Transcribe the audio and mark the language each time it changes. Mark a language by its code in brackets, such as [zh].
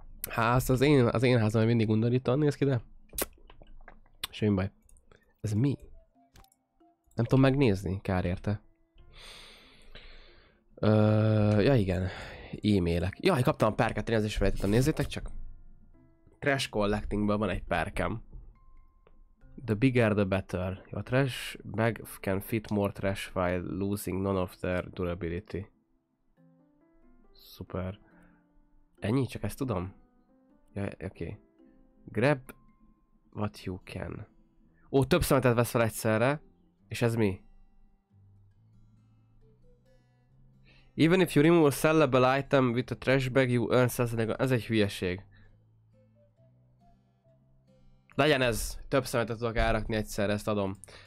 [hu] Ház, az én házam mindig undorítan. Néz ki, de... Semmi baj. Ez mi? Nem tudom megnézni, kár érte. Ja igen, e-mailek. Jaj, kaptam a perket, én ezért is felejtettem, nézzétek csak. Trash Collectingből van egy perkem. [en] The bigger the better. A trash bag can fit more trash while losing none of their durability. [hu] Super. Ennyi? Csak ezt tudom? Jaj, oké. Okay. [en] Grab what you can. [hu] Ó, több szemetet veszel egyszerre. És ez mi? [en] Even if you remove a sellable item with a trash bag, you earn something. [hu] Ez egy hülyeség. Legyen ez. Több szemetet tudok árakni egyszerre, ezt adom.